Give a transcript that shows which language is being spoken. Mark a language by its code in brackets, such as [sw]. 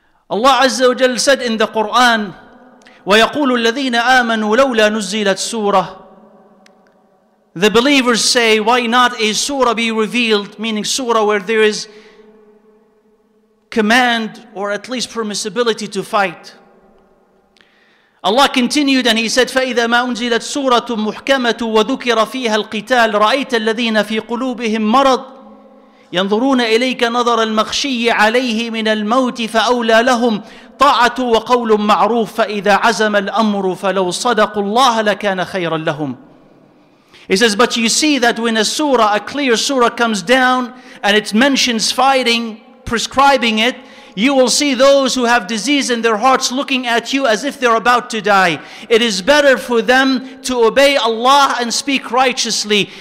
[en] Allah Azza wa Jal said in the Quran, [ar] وَيَقُولُ الَّذِينَ آمَنُوا لَوْلَا نُزِّلَتْ سُورَةً. [en] The believers say, why not a surah be revealed, meaning surah where there is command or at least permissibility to fight. Allah continued and He said, [ar] فَإِذَا مَا أُنزِلَتْ سُورَةٌ مُحْكَمَةٌ وَذُكِرَ فِيهَا الْقِتَالِ رَأَيْتَ الَّذِينَ فِي قُلُوبِهِمْ مَرَضٌ يَنْظُرُونَ إِلَيْكَ نَظَرَ الْمَخْشِيِّ عَلَيْهِ مِنَ الْمَوْتِ فَأَوْلَى لَهُمْ طَاعَةٌ وَقَوْلٌ مَعْرُوفٌ فَإِذَا عَزَمَ الْأَمْرُ فَلَوْ صَدَقُوا اللَّهَ لَكَانَ خَيْرًا لَهُمْ. [en] He says, but you see that when a clear surah comes down and it mentions fighting, prescribing it, you will see those who have disease in their hearts looking at you as if they're about to die. It is better for them to obey Allah and speak righteously.